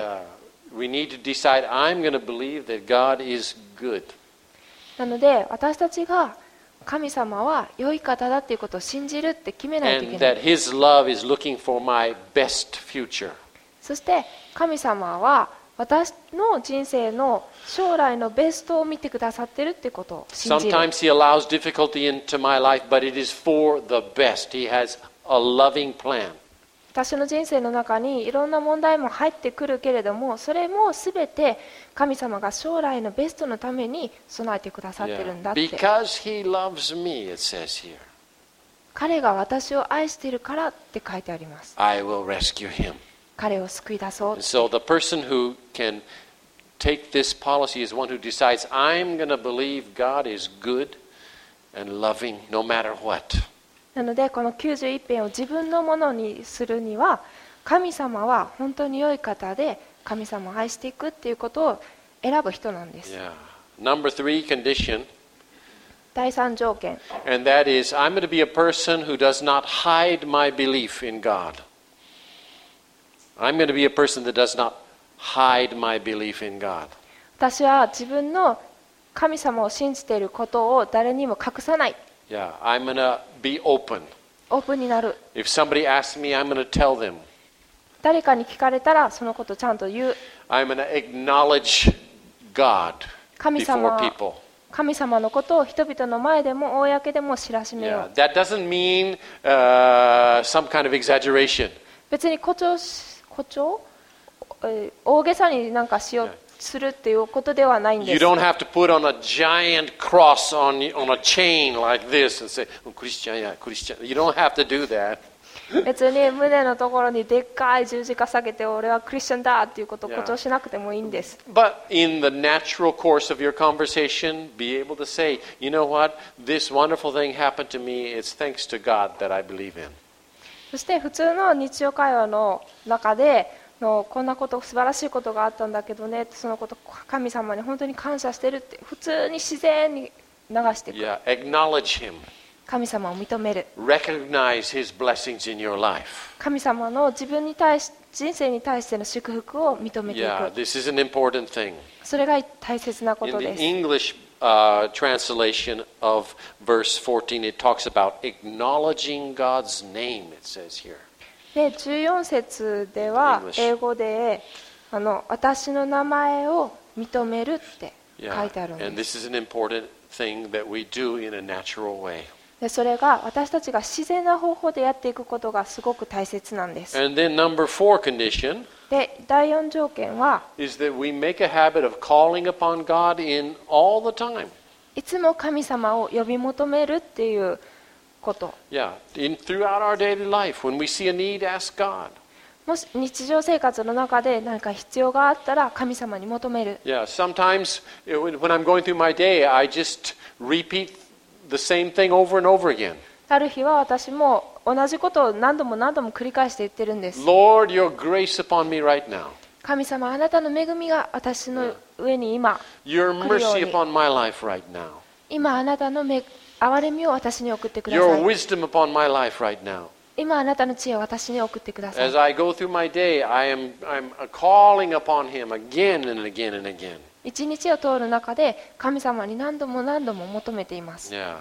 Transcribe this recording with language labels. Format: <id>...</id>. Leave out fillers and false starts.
<en>Yeah. We need to decide. I'm going to believe that God is good.</en> <ja>なので私たちが神様は良い方だということを信じるって決めないといけない。</ja> <en>And that His love is looking for my best future.</en> <ja>そして神様は私の人生の将来のベストを見てくださってるってことを信じる。</ja> <en>Sometimes He allows difficulty into my life, but it is for the best. He has a loving plan.</en> <ja>私の人生の中にいろんな問題も入ってくるけれども、それもすべて神様が将来のベストのために備えてくださってるんだって。</ja> <en>Yeah. Because he loves me, it says here.</en> <ja>彼が私を愛しているからって書いてあります。</ja> <en>I will rescue him.</en> <ja>彼を救い出そう。</ja> <en>So the person who can take this policy is one who decides I'm going to believe God is good and loving no matter what.</en> <ja>なのでこの91編を自分のものにするには、神様は本当に良い方で神様を愛していくっていうことを選ぶ人なんです。</ja> <en>Yeah. Number three condition.</en> <ja>第三条件。</ja> <en>And that is, I'm going to be a person who does not hide my belief in God. I'm going to be a person that does not hide my belief in God.</en> <ja>私は自分の神様を信じていることを誰にも隠さない。</ja> <en>Yeah, I'm gonna be open.</en> <ja>オープンになる。</ja> <en>If somebody asks me, I'm gonna tell them.</en> <ja>誰かに聞かれたらそのことちゃんと言う。</ja> <en>I'm gonna acknowledge God before people.</en> <ja>神様のことを人々の前でも公でも知らしめよう。</ja> <en>Yeah, that doesn't mean some kind of exaggeration.</en> <ja>別に誇張、大げさになんかしよう。</ja> <en>Yeah.</en> <ja>するっていうことではないんです。</ja> <en>You don't have to put on a giant cross on a chain like this and say,</en> <ja>クリスチャンや、クリスチャン。</ja> <en>You don't have to do that.</en> <ja>別に胸のところにでっかい十字架下げて、俺はクリスチャンだっていうことを誇張しなくてもいいんです。</ja> <en>Yeah. But in the natural course of your conversation, be able to say, you know what? This wonderful thing happened to me. It's thanks to God that I believe in.</en> <ja>そして普通の日常会話の中で、こんなこと素晴らしいことがあったんだけどね、そのこと神様に本当に感謝してるって普通に自然に流していく。</ja> <en>Yeah, acknowledge him.</en> <ja>神様を認める。</ja> <en>Recognize his blessings in your life.</en> <ja>神様の自分に対し人生に対しての祝福を認めていく。</ja> <en>Yeah, this is an important thing.</en> <ja>それが大切なことです。</ja> <en>In the English, translation of verse 14, it talks about acknowledging God's name, it says here.</en> <ja>で14節では英語で私の名前を認めるって書いてあるんです。</ja> <en>Yeah. And this is an important thing that we do in a natural way.</en> <ja>でそれが私たちが自然な方法でやっていくことがすごく大切なんです。</ja> <en>And then number four condition</en> <ja>で第四条件は</ja> <en>is that we make a habit of calling upon God in all the time.</en> <ja>いつも神様を呼び求めるっていうこと。</ja> <en>Yeah, in throughout our daily life, when we see a need, ask God.</en> <ja>もし日常生活の中で何か必要があったら神様に求める。</ja> <en>Yeah, sometimes when I'm going through my day, I just repeat. The same thing over and over again.</en> <ja>ある日は私も同じことを何度も何度も繰り返して言ってるんです。</ja> <en>Lord, your grace upon me right now.</en> <ja>神様、あなたの恵みが私の上に今来るように。</ja> <en>Your mercy upon my life right now.</en> <ja>今あなたの憐れみを私に送ってください。</ja> <en>Your wisdom upon my life right now.</en> <ja>今あなたの知恵を私に送ってください。</ja> <en>As I go through my day, I'm calling upon Him again and again and again.</en> <ja>一日を通る中で神様に何度も何度も求めています。</ja>